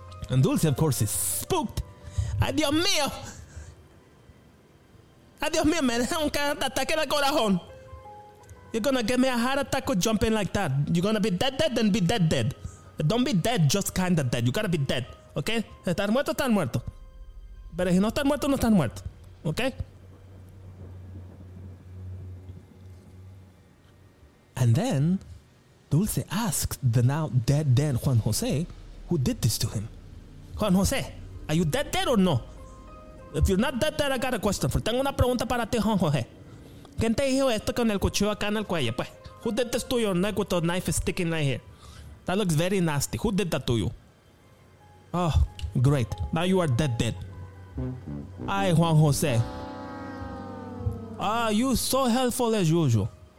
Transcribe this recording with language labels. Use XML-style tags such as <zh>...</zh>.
<en>And Dulce, of course, is spooked.</en> <es>Adios mio, man. Un ataque de corazón.</es> <en>You're going to get me a heart attack with jumping like that. You're going to be dead, and be dead. But don't be dead, just kind of dead. You got to be dead, okay?</en> <es>Estás muerto, estás muerto. Pero si no estás muerto, no estás muerto, okay?</es> <en>And then Dulce asks the now dead Juan Jose, who did this to him. Juan Jose, are you dead or no? If you're not dead, I got a question for you.</en> <es>Tengo una pregunta para ti, Juan Jose. ¿Quién te dijo esto con el cuchillo acá en el cuello? Pues,</es> <en>who did this to your neck with the knife sticking right here? That looks very nasty. Who did that to you? Oh, great. Now you are dead. Ay, Juan Jose. Ah, you so helpful as usual.</en>